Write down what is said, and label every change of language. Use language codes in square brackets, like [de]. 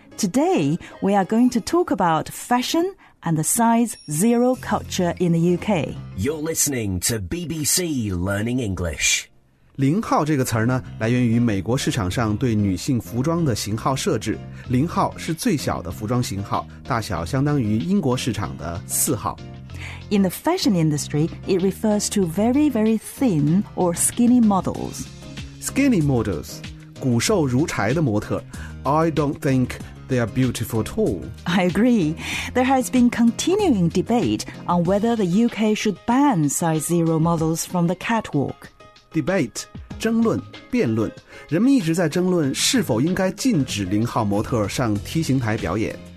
[en] Today, we are going to talk about fashion and the size zero culture in the UK. You're listening to BBC Learning English. [zh] 零号这个词儿呢，来源于美国市场上对女性服装的型号设置。零号是最小的服装型号，大小相当于英国市场的四号。 [en] In the fashion industry, it refers to very, very thin or skinny models. Skinny models, [zh] 骨瘦如柴的模特。 [en] I don't think they are beautiful at all. I agree. There has been continuing debate on whether the UK should ban size zero models from the catwalk. [zh] Debate, 争论、辩论。人们一直在争论是否应该禁止零号模特上 T 型台表演。